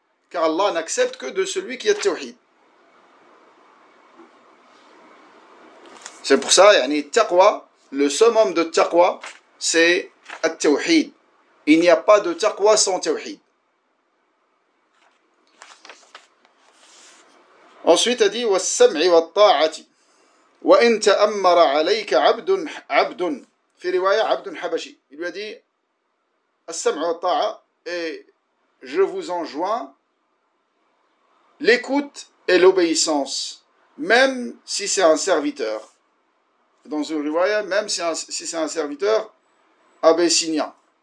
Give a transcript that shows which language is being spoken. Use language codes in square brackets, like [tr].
[fr] Car Allah n'accepte que de celui qui est tawhid. C'est pour ça, yani, taqwa, le summum de taqwa, c'est at-tawhid. Il n'y a pas de taqwa sans tawhid. Ensuite, il dit, [ar] وَالسَّمْعِ وَالطَّاعَةِ وَإِنْ تَأَمَّرَ عَلَيْكَ عَبْدٌ فِي رِوَيَةِ عَبْدٌ حَبَشِي. [fr] Il lui a dit, [ar] السَّمْعِ وَالطَّاعَةِ. [fr] Et je vous enjoins l'écoute et l'obéissance, même si c'est un serviteur. Dans une riwaya, même si c'est un serviteur abyssinien.